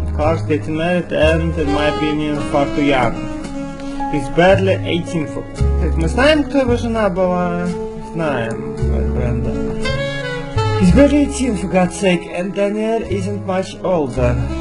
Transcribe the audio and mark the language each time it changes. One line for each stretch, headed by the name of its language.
English: Clark's getting married and, in my opinion, far too young. He's barely 18 foot.
Russian: Так, мы знаем, кто его жена была? Знаем, Бренда.
English: He's barely 18, for God's sake, and Daniel isn't much older.